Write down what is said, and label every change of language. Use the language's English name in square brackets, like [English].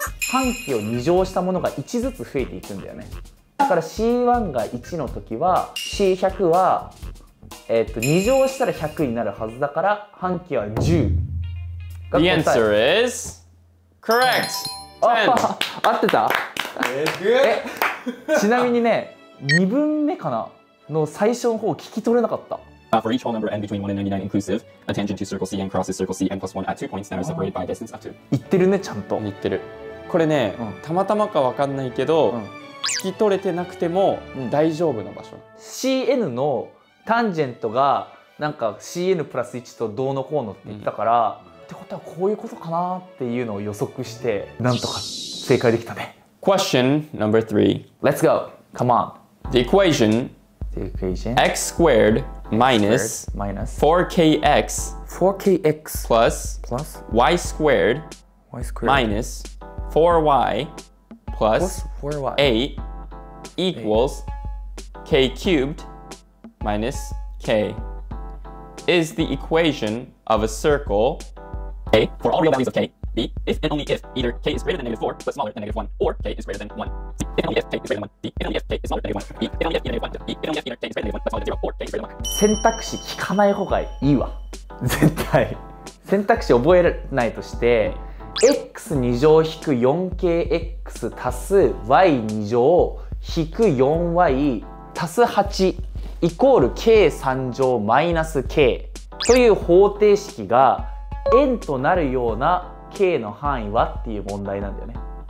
[Japanese] 半径を2乗したものが1ずつ増えていくんだよね。だから C1 が1の時は C100 は、2乗したら100になるはずだから半径は10 が答え。 [English] The answer is correct! 10! [Japanese] 合ってた？え、ちなみにね、2分目かなの最初の方聞き取れなかった。 [English] For each whole number n between 1 and 99 inclusive, a tangent to circle CN crosses circle CN plus 1 at two points that are separated by a distance of 2. [Japanese] 言ってるね、ちゃんと。言ってる。これね、たまたまか分かんないけど、聞き取れてなくても大丈夫な場所。 CN のタンジェントがなんか CN プラス1とどうのこうのって言ったから、ってことはこういうことかなっていうのを予測して、なんとか正解できたね。 [English] Question number 3. Let's go. Come on. The equation, x squared minus 4kx plus y squared minus 4y plus 8 equals k cubed minus k is the equation of a circle k for all real values of k. B, if and only if either k is greater than negative 4 but smaller than negative 1, or k is greater than 1. C, if and only if k is greater than 1. D, if and only if k is smaller than negative 1. E, if and only if either 1. D, if and only if either k is greater than 1 but smaller than 0, or k is greater than 1. [Japanese] 選択肢聞かない方がいいわ。絶対。選択肢覚えないとして、x 二乗引く 4kx 足す y 二乗引く 4y 足す8イコール k 三乗マイナス k という方程式が円となるような K の範囲はっていう問題なんだよね。